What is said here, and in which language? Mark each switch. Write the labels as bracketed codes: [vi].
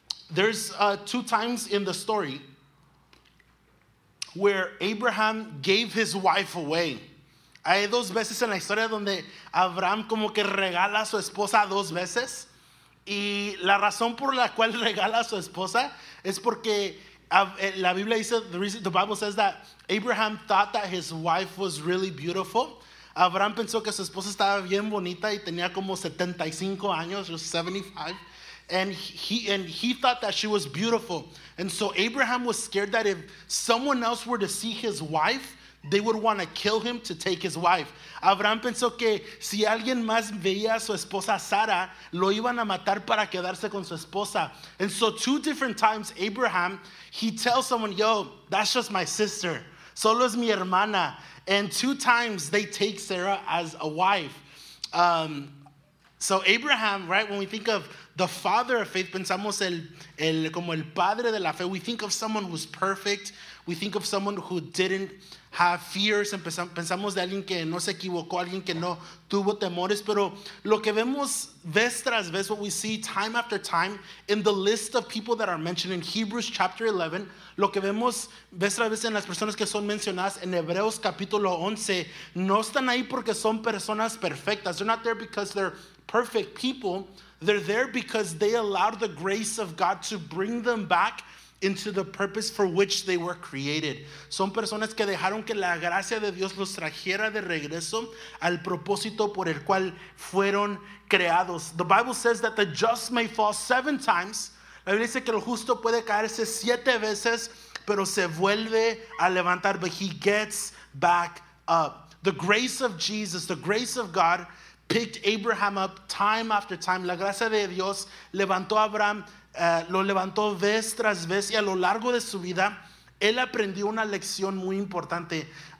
[en] There's two times in the story where Abraham gave his wife away. [es] Hay dos veces en la historia donde Abraham como que regala a su esposa dos veces. Y la razón por la cual regala a su esposa es porque la Biblia dice, [en] the Bible says that Abraham thought that his wife was really beautiful. [es] Abraham pensó que su esposa estaba bien bonita y tenía como 75 años, [en] or 75. And he thought that she was beautiful. And so Abraham was scared that if someone else were to see his wife, they would want to kill him to take his wife. [es] Abraham pensó que si alguien más veía a su esposa Sara, lo iban a matar para quedarse con su esposa. [en] And so two different times, Abraham, he tells someone, yo, that's just my sister. [es] Solo es mi hermana. [en] And two times, they take Sarah as a wife. So Abraham, right, when we think of the father of faith, [es] pensamos como el padre de la fe. [en] We think of someone who's perfect. We think of someone who didn't have fears. [es] Pensamos de alguien que no se equivocó, alguien que no tuvo temores. Pero lo que vemos vez tras vez, [en] what we see time after time in the list of people that are mentioned in Hebrews chapter 11, [es] lo que vemos vez tras vez en las personas que son mencionadas en Hebreos capítulo 11, no están ahí porque son personas perfectas. [en] They're not there because they're perfect people, they're there because they allowed the grace of God to bring them back into the purpose for which they were created. [es] Son personas que dejaron que la gracia de Dios los trajera de regreso al propósito por el cual fueron creados. [en] The Bible says that the just may fall 7 times. [es] La Biblia dice que el justo puede caerse 7 veces, pero se vuelve a levantar. [en] But he gets back up. The grace of Jesus, the grace of God, picked Abraham up time after time. [es] La gracia de Dios levantó a Abraham. Lo levantó vez tras vez, y a lo largo de su vida él aprendió una lección muy importante.